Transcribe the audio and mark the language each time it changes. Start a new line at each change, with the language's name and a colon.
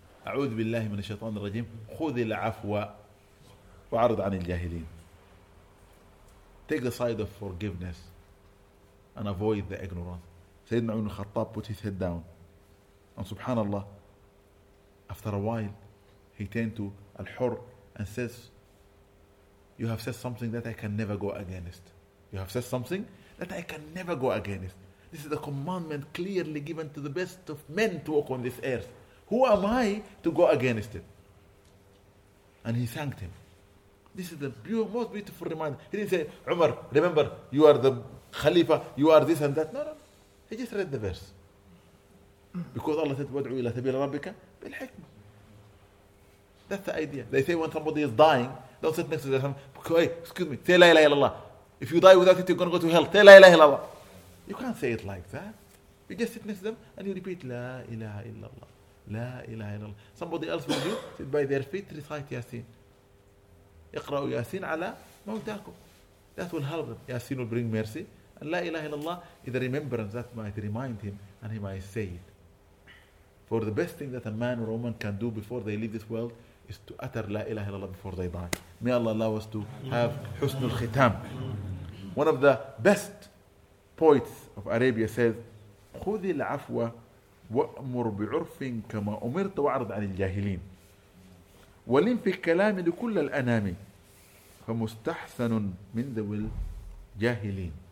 Arabic: أعوذ بالله من الشيطان الرجيم خذ العفو وعرض عن الجاهلين.
English: Take the side of forgiveness and avoid the ignorance. Sayyidina Umar al-Khattab put his head down. And subhanAllah, after a while, he turned to Al-Hur and says, you have said something that I can never go against. You have said something that I can never go against. This is a commandment clearly given to the best of men to walk on this earth. Who am I to go against it? And he thanked him. This is the most beautiful reminder. He didn't say, Umar, remember, you are the Khalifa, you are this and that. No. He just read the verse. Because Allah said,
Arabic: وَدْعُوا إِلَىٰ سَبِيلَ رَبِّكَ بِالْحِكْمَةِ.
English: That's the idea. They say when somebody is dying, don't sit next to them. Hey, excuse me. Say la ilaha illallah. If you die without it, you're going to go to hell. Say la ilaha illallah. You can't say it like that. You just sit next to them and you repeat, la ilaha illallah. La ilaha illallah. Somebody else will do, sit by their feet, recite Yasin.
Arabic: اقرأوا ياسين على موتاكم.
English: That will help them. Yasin will bring mercy. And la ilaha illallah is a remembrance that might remind him and he might say it. For the best thing that a man or a woman can do before they leave this world is to utter La ilaha illallah before they die. May Allah allow us to have Husnul Khitam. One of the best poets of Arabia says,
Arabic: خُذِ الْعَفْوَ وَأْمُرْ بِعُرْفٍ كَمَا أُمِرْتَ وَعَرْضَ عَنِ الْجَاهِلِينَ وَلِمْ فِي الْكَلَامِ لِكُلَّ الْأَنَامِ فَمُسْتَحْسَنٌ مِنْ ذَوِ الْجَاهِلِينَ.